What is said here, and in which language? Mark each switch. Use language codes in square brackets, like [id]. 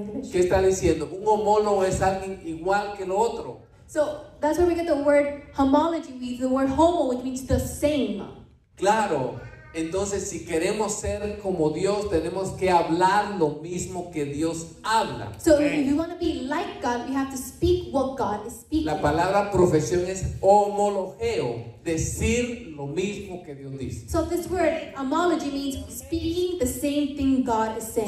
[es] ¿Qué está diciendo? Un homólogo es alguien igual que lo otro. [en] So that's where we get the word homology, the word homo, which means the same. [es] Claro. Entonces, si queremos ser como Dios, tenemos que hablar lo mismo que Dios habla. [en] So if you want to be like God, you have to speak what God is speaking. [es] La palabra profesión es homologeo, decir lo mismo que Dios dice. [en] So this word homology means speaking the same thing God is saying.